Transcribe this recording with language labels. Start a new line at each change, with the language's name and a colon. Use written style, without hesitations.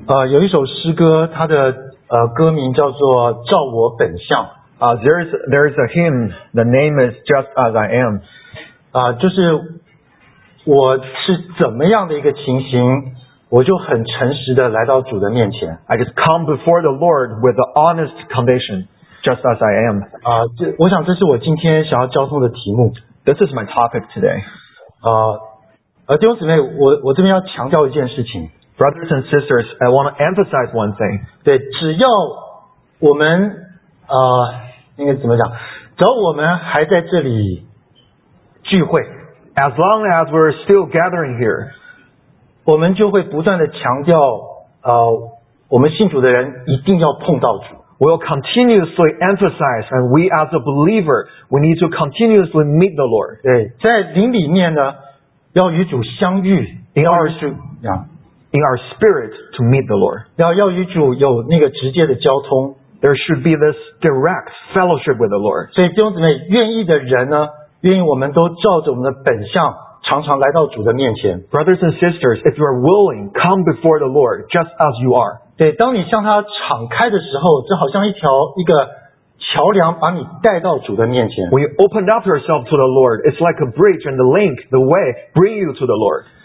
Chinese: 有一首诗歌，它的歌名叫做《照我本相》。
English: There's a hymn. The name is Just As I Am.
Chinese: 就是我是怎么样的一个情形，我就很诚实的来到主的面前。
English: I just come before the Lord with an honest condition, just as I am.
Chinese: 我想这是我今天想要交通的题目。
English: This is my topic today.
Chinese: 弟兄姊妹，我这边要强调一件事情。
English: Brothers and sisters, I want to emphasize one thing.
Chinese: 对，只要我们应该怎么讲？只要我们还在这里聚会
English: ，as long as we're still gathering here，
Chinese: 我们就会不断的强调我们信主的人一定要碰到主。
English: We'll continuously emphasize, and we as a believer, we need to continuously meet the Lord.
Chinese: 对，在灵里面呢，要与主相遇
English: ，in our spirit, in our spirit to meet the Lord.
Chinese: 要与主有那个直接的交通。
English: There should be this direct fellowship with the Lord.
Chinese: 所以弟兄姊妹，愿意的人呢，愿意我们都照着我们的本相，常常来到主的面前。
English: Brothers and sisters, if you are willing, come before the Lord just as you are.
Chinese: 对，当你向他敞开的时候，就好像一个桥梁把你带到主的面前。
English: When you open up yourself to the Lord, it's like a bridge and the link, the way, bring you to the Lord.